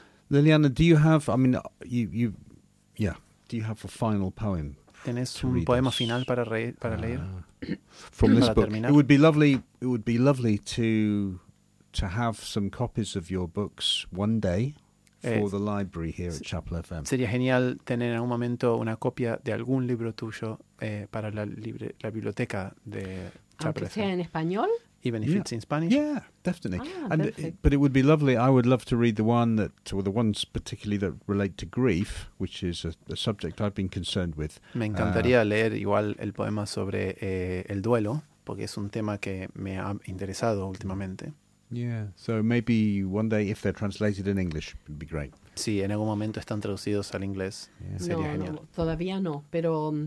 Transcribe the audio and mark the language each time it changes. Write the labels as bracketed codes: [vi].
[en] Liliana, do you have, I mean, do you have a final poem? [es] ¿Tienes un poema final para leer? [en] From this book. It would be lovely to have some copies of your books one day for the library here at Chapel FM. [es] Sería genial tener en algún momento una copia de algún libro tuyo para la biblioteca de Chapel FM. Aunque sea en español. [en] Even if it's in Spanish. Yeah, definitely. But it would be lovely. I would love to read the ones particularly that relate to grief, which is a subject I've been concerned with. [es] Me encantaría leer igual el poema sobre el duelo, porque es un tema que me ha interesado últimamente. [en] Yeah, so maybe one day if they're translated in English, it would be great. [es] Sí, en algún momento están traducidos al inglés. Yeah. Sería genial. No, todavía no, pero...